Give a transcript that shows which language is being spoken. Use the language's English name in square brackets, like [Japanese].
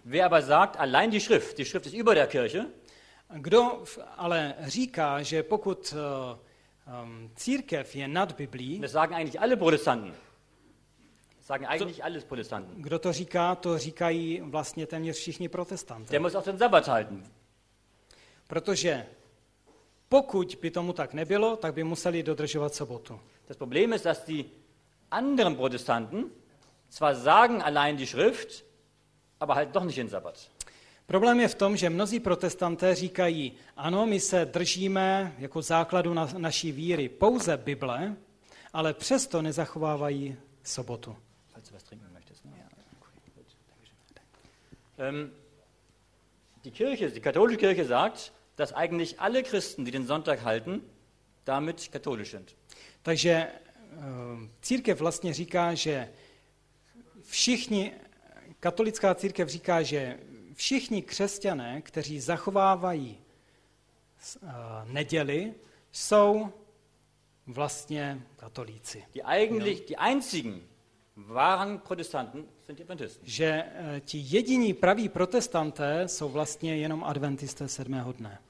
[German] Wer aber sagt, allein die Schrift ist über der Kirche. [Czech] Kdo ale říká, že pokud církev je nad Biblí, [German] das sagen eigentlich alle Protestanten. Sagen eigentlich alle Protestanten. [Czech] Kdo to říká, to říkají vlastně téměř všichni protestanti. [German] Der muss auch den Sabbat halten. [Czech] Protože pokud by tomu tak nebylo, tak by museli dodržovat sobotu. [German] Das Problem ist, dass die anderen Protestanten zwar sagen allein die Schrift, aber halt doch nicht den Sabbat. [Czech] Problém je v tom, že mnozí protestanté říkají, ano, my se držíme jako základu naší víry pouze Bible, ale přesto nezachovávají sobotu. [German] Falls du was trinken möchtest, ne? Ja. Die Kirche, die katholische Kirche sagt, dass eigentlich alle Christen, die den Sonntag halten, damit katholisch sind. [Czech] Takže církev vlastně říká, že všichni, katolická církev říká, že všichni křesťané, kteří zachovávají neděli, jsou vlastně katolíci. [German] Die eigentlich, die einzigen wahren Protestanten sind die Adventisten. [Czech] Že ti jediní praví protestanté jsou vlastně jenom adventisté sedmého dne.